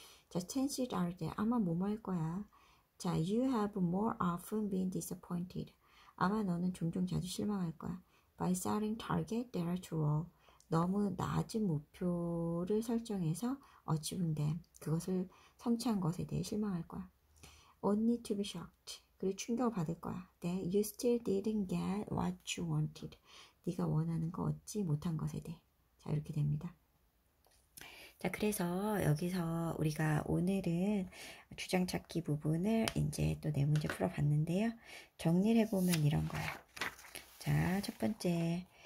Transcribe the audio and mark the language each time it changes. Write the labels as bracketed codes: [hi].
[en] 자, chances are there. [ko] 아마 무모할 거야. [en] 자, you have more often been disappointed. [ko] 아마 너는 종종 자주 실망할 거야. [en] By setting targets that are too low. [ko] 너무 낮은 목표를 설정해서 [en] achieving them. [ko] 그것을 성취한 것에 대해 실망할 거야. [en] Only to be shocked. [ko] 그리고 충격을 받을 거야. [en] That you still didn't get what you wanted. [ko] 네가 원하는 거 얻지 못한 것에 대해. 자, 이렇게 됩니다. 자, 그래서 여기서 우리가 오늘은 주장찾기 부분을 이제 또 4문제 풀어봤는데요. 정리를 해보면 이런 거야. 자, 첫 번째.